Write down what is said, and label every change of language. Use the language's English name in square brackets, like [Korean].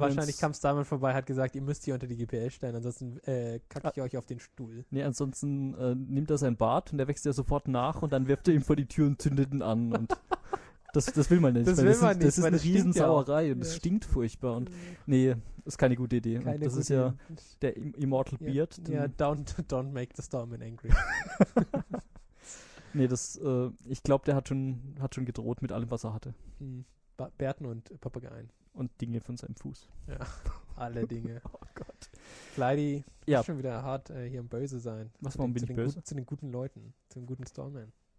[German] Wahrscheinlich kam Stallman vorbei, hat gesagt, ihr müsst die unter die GPL stellen, ansonsten kacke ich euch auf den Stuhl. Nee, ansonsten nimmt er sein Bart und der wächst ja sofort nach und dann wirft er ihm vor die Tür und zündet ihn an. Und das will man nicht. Das will man nicht. Das ist eine Riesensauerei und es stinkt furchtbar. Und nee, das ist keine gute Idee. Das ist der Immortal Beard. Ja, [English] don't make the Stallman angry. [German] Nee, ich glaube, der hat schon gedroht mit allem, was er hatte. Bärten und Papageien. Und Dinge von seinem Fuß. Ja, alle Dinge. Oh Gott. Kleidi, ja. Schon wieder hart hier im Böse sein. Warum bin ich böse? Zu den guten Leuten, zum guten Stallman.